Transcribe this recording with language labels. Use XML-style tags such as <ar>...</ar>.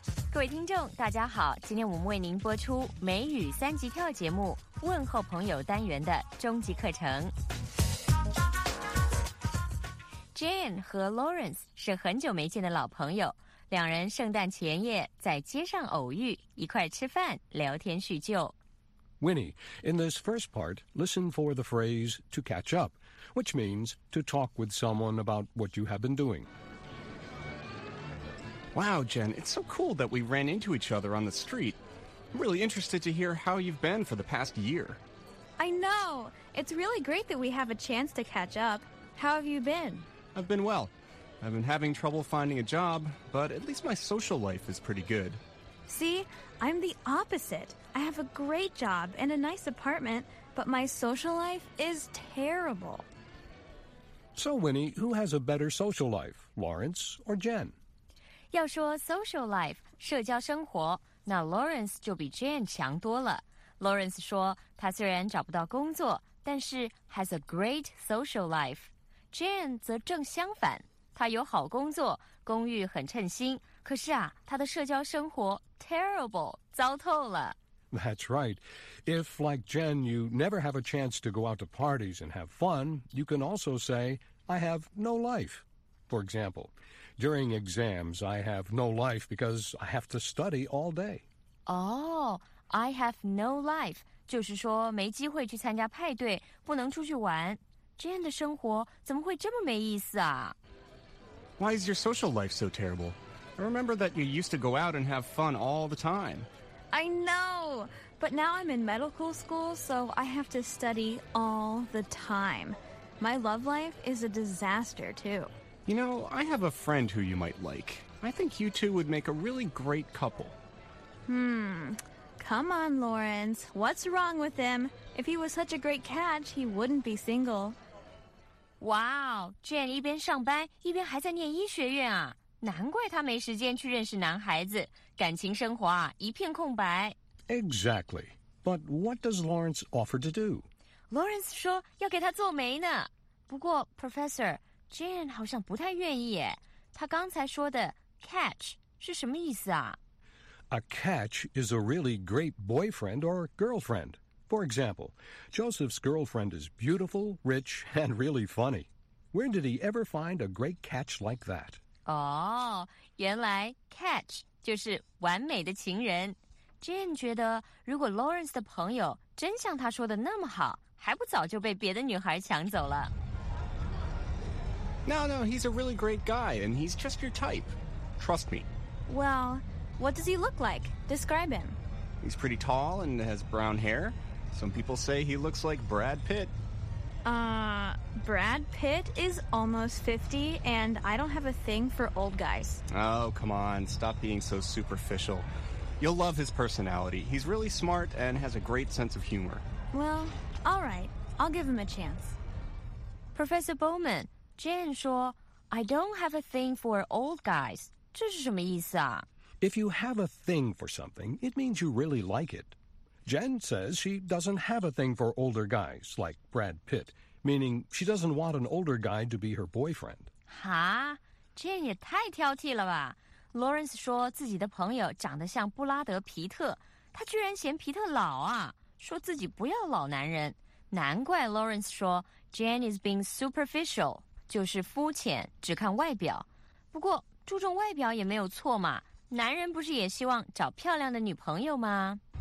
<zh>各位听众大家好，今天我们为您播出美语三级跳节目问候朋友单元的终极课程。 Jane 和 Lawrence 是很久没见的老朋友，两人圣诞前夜在街上偶遇，一块吃饭聊天叙旧。</zh> <en>Winnie, in this first part, listen for the phrase to catch up, which means to talk with someone about what you have been doing. Wow, Jen, it's so cool that we ran into each other on the street. I'm really interested to hear how you've been for the past year. I know. It's really great that we have a chance to catch up. How have you been? I've been well. I've been having trouble finding a job, but at least my social life is pretty good. See, I'm the opposite. I have a great job and a nice apartment, but my social life is terrible. So, Winnie, who has a better social life, Lawrence or Jen?</en> <zh>要说 social life, 社交生活，那 Lawrence 就比 Jen 强多了。 Lawrence 说他虽然找不到工作，但是</zh> <en>has a great social life.</en> <zh>Jen 则正相反，他有好工作，公寓很称心，可是啊，他的社交生活 terrible, 糟透了。</zh> <en>That's right. If, like Jen, you never have a chance to go out to parties and have fun, you can also say, I have no life. For example, during exams, I have no life because I have to study all day. Oh, I have no life.</en> <zh>就是说没机会去参加派对，不能出去玩。 Jen 的生活怎么会这么没意思啊？</zh> <en>Why is your social life so terrible? I remember that you used to go out and have fun all the time. I know, but now I'm in medical school, so I have to study all the time. My love life is a disaster, too. You know, I have a friend who you might like. I think you two would make a really great couple. Come on, Lawrence. What's wrong with him? If he was such a great catch, he wouldn't be single.</en> <zh>Wow, Jen 一边上班，一边还在念医学院啊。难怪他没时间去认识男孩子，感情生活啊，一片空白。</zh> <en>Exactly. But what does Lawrence offer to do?</en> <zh>Lawrence 说要给他做媒呢。不过 Professor, Jen 好像不太愿意耶。他刚才说的 catch 是什么意思啊？</zh> <en>A catch is a really great boyfriend or girlfriend. For example, Joseph's girlfriend is beautiful, rich, and really funny. Where did he ever find a great catch like that?</en> <zh>原来 catch 就是完美的情人。 Jen 觉得如果 Lawrence 的朋友真像他说的那么好，还不早就被别的女孩抢走了。</zh> <en>No, he's a really great guy, and he's just your type. Trust me. Well, what does he look like? Describe him. He's pretty tall and has brown hair. Some people say he looks like Brad Pitt. Brad Pitt is almost 50, and I don't have a thing for old guys. Oh, come on, stop being so superficial. You'll love his personality. He's really smart and has a great sense of humor. Well, all right, I'll give him a chance. Professor Bowman, Jen</en> <zh>说,</zh> <en>I don't have a thing for old guys.</en> <zh>这是什么意思啊?</zh> <en>If you have a thing for something, it means you really like it. Jen says she doesn't have a thing for older guys, like Brad Pitt, meaning she doesn't want an older guy to be her boyfriend.</en> <zh>Huh? Jen 也太挑剔了吧。 Lawrence 说自己的朋友长得像布拉德·皮特，他居然嫌皮特老啊，说自己不要老男人。难怪 Lawrence 说</zh> <en>Jen is being superficial,</en> <zh>就是肤浅，只看外表。不过注重外表也没有错嘛，男人不是也希望找漂亮的女朋友吗？</zh>